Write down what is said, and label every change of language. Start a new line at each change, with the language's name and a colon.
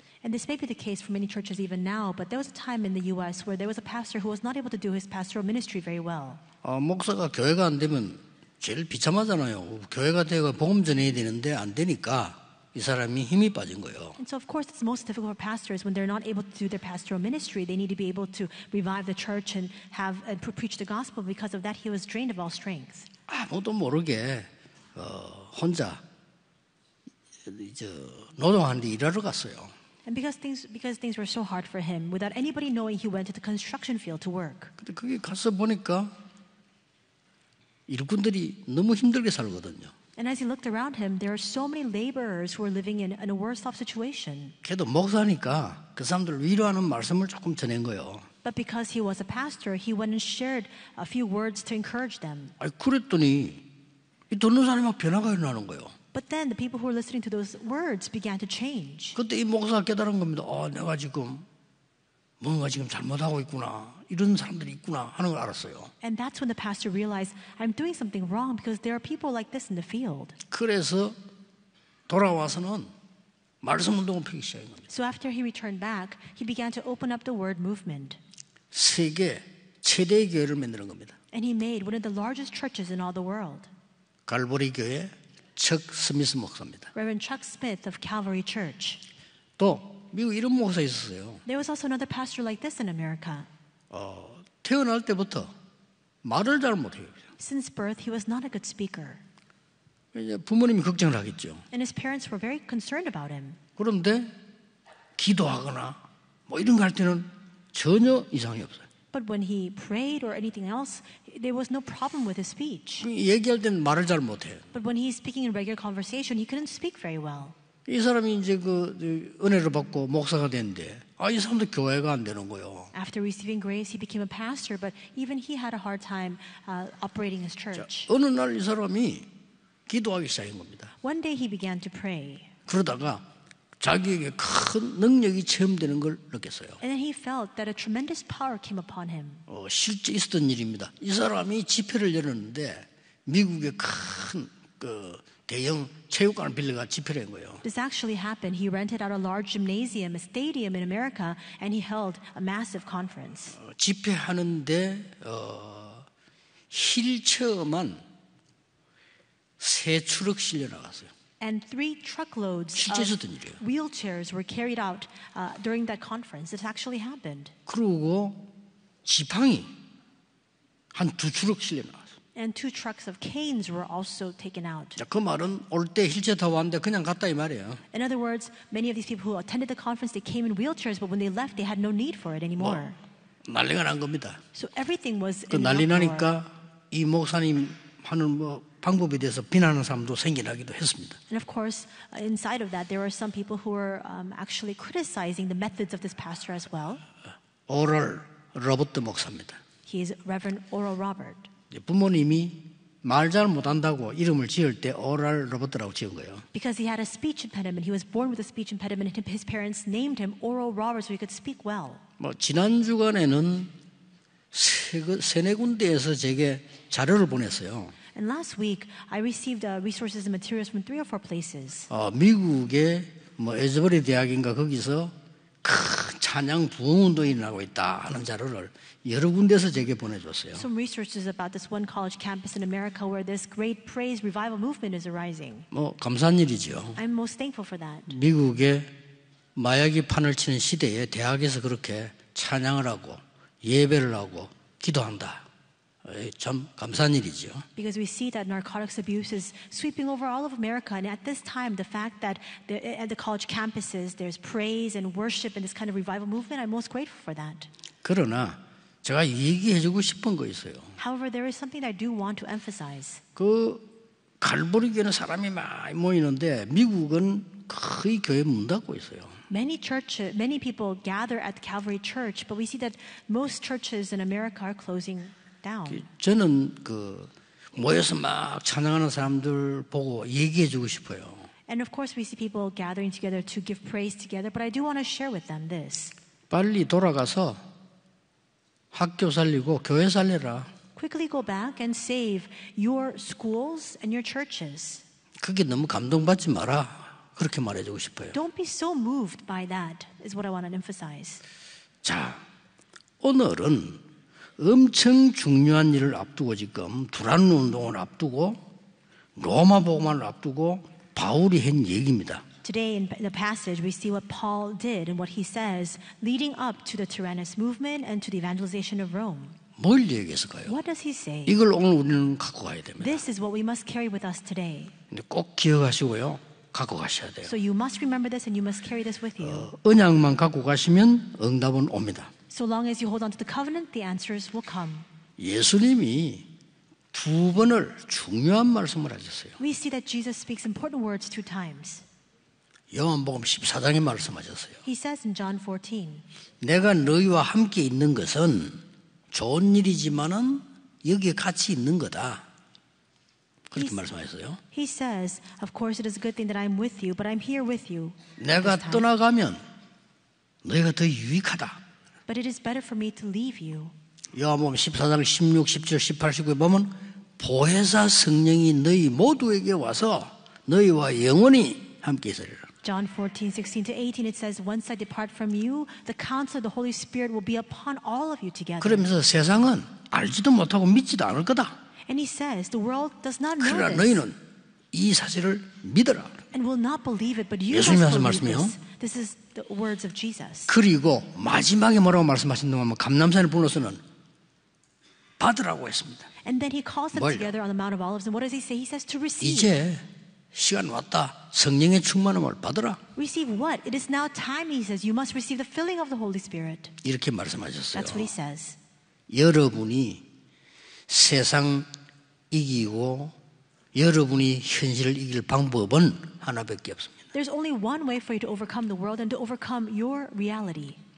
English: And this may be the case for many churches even now, but there was a time in the US where there was a pastor who was not able to do his pastoral ministry very well.
Korean: 목사가 교회가 안 되면 제일 비참하잖아요. 교회가 되고 복음 전해야 되는데 안 되니까 이 사람이 힘이 빠진 거예요.
English: And so of course it's most difficult for pastors when they're not able to do their pastoral ministry. They need to be able to revive the church and have and preach the gospel. Because of that, he was drained of all strength.
Korean: 아무도 모르게 혼자 이제 노동하는데 일하러 갔어요.
English: And because things were so hard for him, without anybody knowing, he went to the construction field to work.
Korean: 근데 거기 가서 보니까 일꾼들이 너무 힘들게 살거든요.
English: And as he looked around him, there are so many laborers who are living in a worse-off situation.
Korean: 그래도 목사니까 그 사람들 위로하는 말씀을 조금 전한 거예요.
English: But because he was a pastor, he went and shared a few words to encourage them.
Korean: 아니, 그랬더니 이 듣는 사람이 막 변화가 일어나는 거예요.
English: But then the people who were listening to those words began to change.
Korean: 그때 이 목사가 깨달은 겁니다. 아, 내가 지금 뭔가 지금 잘못하고 있구나. 이런 사람들이 있구나 하는 걸 알았어요.
English: And that's when the pastor realized I'm doing something wrong because there are people like this in the field.
Korean: 그래서 돌아와서는 말씀 운동을 펴기 시작한 겁니다.
English: So after he returned back, he began to open up the word movement.
Korean: 세계 최대 교회를 만드는 겁니다.
English: And he made one of the largest churches in all the world.
Korean: 갈보리 교회 척 스미스 목사입니다.
English: Reverend Chuck Smith of Calvary Church.
Korean: 또 미국 이런 목사 있었어요.
English: There was also another pastor like this in America.
Korean: 태어날 때부터 말을 잘 못해요.
English: Since birth, he was not a good speaker.
Korean: 이제 부모님이 걱정을 하겠죠.
English: And his parents were very concerned about him.
Korean: 그런데 기도하거나 뭐 이런 거 할 때는 전혀 이상이 없어요.
English: But when he prayed or anything else, there was no problem with his speech.
Korean: 얘기할 때는 말을 잘 못해요.
English: But when he's speaking in regular conversation, he couldn't speak very well.
Korean: 이 사람이 이제 그 은혜를 받고 목사가 됐는데 아, 이 사람도 교회가 안 되는 거예요.
English: After receiving grace, he became a pastor, but even he had a hard time operating his church.
Korean: 자, 어느 날 이 사람이 기도하기 시작한 겁니다.
English: One day he began to pray.
Korean: 그러다가 자기에게 큰 능력이 체험되는 걸 느꼈어요.
English: And then he felt that a tremendous power came upon him.
Korean: 실제 있었던 일입니다. 이 사람이 집회를 열었는데 미국의 큰 그 대형 체육관을 빌려가 집회를 한 거예요.
English: This actually happened. He rented out a large gymnasium, a stadium in America, and he held a massive conference.
Korean: 집회하는데 휠체어만 세 트럭 실려 나갔어요.
English: And three truckloads of wheelchairs were carried out during that conference. It actually happened.
Korean: 그리고 지팡이 한 두 트럭 실려 나갔어요.
English: And two trucks of canes were also taken out.
Korean: 자, 그 말은 올 때 휠체어 타고 왔는데 그냥 갔다 이 말이에요.
English: In other words, many of these people who attended the conference, they came in wheelchairs, but when they left, they had no need for it anymore.
Korean: 뭐, 난리가 난 겁니다.
English: So everything was
Korean: 그 난리 나니까 이 목사님 하는 뭐 방법에 대해서 비난하는 사람도 생기기도 했습니다.
English: And of course, inside of that, there were some people who were actually criticizing the methods of this pastor as well.
Korean: 오럴 로버트 목사입니다.
English: He is Reverend Oral Robert.
Korean: 부모님이 말 잘 못한다고 이름을 지을 때 오랄 로버트라고 지은 거예요.
English: Because he had a speech impediment, he was born with a speech impediment, and his parents named him Oral Roberts so he could speak well.
Korean: 뭐 지난 주간에는 세네 군데에서 제게 자료를 보냈어요.
English: And last week, I received resources and materials from three or four places.
Korean: 미국의 뭐 에즈버리 대학인가 거기서 큰 찬양 부흥 운동이 일어나고 있다 하는 자료를 여러 군데서 제게 보내줬어요.
English: Some researches about this one college campus in America where this great praise revival movement is arising.
Korean: 뭐 감사한 일이죠.
English: I'm most thankful for that.
Korean: 미국의 마약이 판을 치는 시대에 대학에서 그렇게 찬양을 하고 예배를 하고 기도한다. 참 감사한 일이죠.
English: Because we see that narcotics abuse is sweeping over all of America, and at this time, the fact that at the college campuses there's praise and worship and this kind of revival movement, I'm most grateful for that.
Korean: 그러나 제가 얘기해주고 싶은 거 있어요.
English: However, there is something I do want to emphasize.
Korean: 그 갈보리 교회는 사람이 많이 모이는데 미국은 거의 교회 문 닫고 있어요.
English: Many people gather at Calvary Church, but we see that most churches in America are closing down.
Korean: 저는 그 모여서 막 찬양하는 사람들 보고 얘기해주고 싶어요.
English: And of course, we see people gathering together to give praise together, but I do want to share with them this.
Korean: 빨리 돌아가서 학교 살리고 교회 살리라.
English: Quickly go back and save your schools and your churches.
Korean: 그게 너무 감동받지 마라. 그렇게 말해주고 싶어요.
English: Don't be so moved by that is what I want to emphasize.
Korean: 자, 오늘은 엄청 중요한 일을 앞두고 지금 두란 운동을 앞두고 로마 복음을 앞두고 바울이 한 얘기입니다.
English: Today in the passage, we see what Paul did and what he says leading up to the Tyrannus movement and to the evangelization of Rome.
Korean: 뭘 얘기했을까요?
English: What does he say?
Korean: 이걸 오늘 우리는 갖고 가야 됩니다.
English: This is what we must carry with us today.
Korean: 꼭 기억하시고요. 갖고 가셔야 돼요.
English: So you must remember this and you must carry this with you.
Korean: 언약만 갖고 가시면 응답은 옵니다.
English: So long as you hold on to the covenant, the answers will come.
Korean: 예수님이 두 번을 중요한 말씀을 하셨어요.
English: We see that Jesus speaks important words two times.
Korean: 요한복음 14장에 말씀하셨어요.
English: He says in John 14.
Korean: 내가 너희와 함께 있는 것은 좋은 일이지만은 여기에 같이 있는 거다. 그렇게 말씀하셨어요.
English: He says, of course it is a good thing that I'm with you, but I'm here with you.
Korean: 내가 떠나가면 너희가 더 유익하다.
English: But it is better for me to leave you.
Korean: 요한복음 14장 16, 17, 18, 19에 보면 보혜사 성령이 너희 모두에게 와서 너희와 영원히 함께 있으리라.
English: John 14, 16 to 18, it says, Once I depart from you, the counsel of the Holy Spirit will be upon all of you together.
Korean: 그러면서 세상은 알지도 못하고 믿지도 않을 거다.
English: And he says, the world does not know
Korean: 그러나
English: this.
Korean: 너희는 이 사실을 믿어라.
English: And will not believe it, but you must believe
Korean: 말씀이요?
English: this. This is the words of Jesus.
Korean: 그리고 마지막에 뭐라고 말씀하신 동안 감람산을 불러서는 받으라고 했습니다.
English: And then he calls them
Korean: 멀려.
English: together on the Mount of Olives, and what does he say? He says to receive.
Korean: 이제 시간 왔다. 성령의 충만함을 받으라.
English: Receive what? It is now time, he says. You must receive the filling of the Holy Spirit.
Korean: 이렇게 말씀하셨어요.
English: That's what he says.
Korean: 여러분이 세상 이기고 여러분이 현실을 이길 방법은 하나밖에 없습니다.
English: There's only one way for you to overcome the world and to overcome your reality.